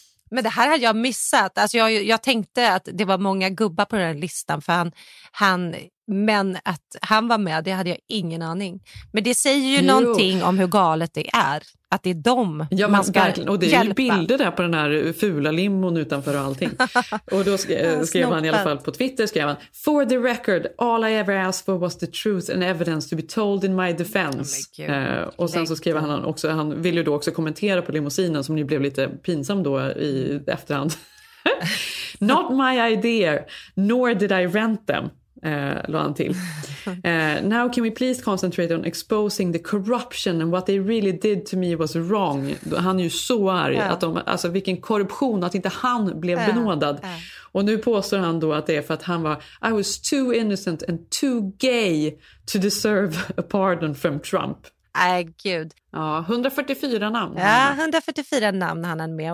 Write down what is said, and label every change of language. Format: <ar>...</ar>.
<sv>Men det här hade jag missat. Alltså jag tänkte att det var många gubbar på den här listan. För han Men att han var med, det hade jag ingen aning. Men det säger ju någonting om hur galet det är. Att det är dem, ja, man ska verkligen. Och det hjälpa. Är ju bilder där på den här fula limon utanför och allting. Och då skrev han i alla fall på Twitter, skrev han:</sv> <en>"For the record, all I ever asked for was the truth and evidence to be told in my defense."</en> <sv>Och sen så skrev han också, han ville ju då också kommentera på limousinen som ju blev lite pinsam då i efterhand.</sv> <en>"Not my idea, nor did I rent them."</en> <sv>Låt han till.</sv> <en>"Now can we please concentrate on exposing the corruption and what they really did to me was wrong."</en> <sv>Han är ju så arg. Yeah. Att de, alltså vilken korruption, att inte han blev benådad. Yeah. Och nu påstår han då att det är för att han var</sv> <en>"I was too innocent and too gay to deserve a pardon from Trump."</en> <sv>Gud. Ja, 144 namn. Ja, 144 namn han är med.</sv>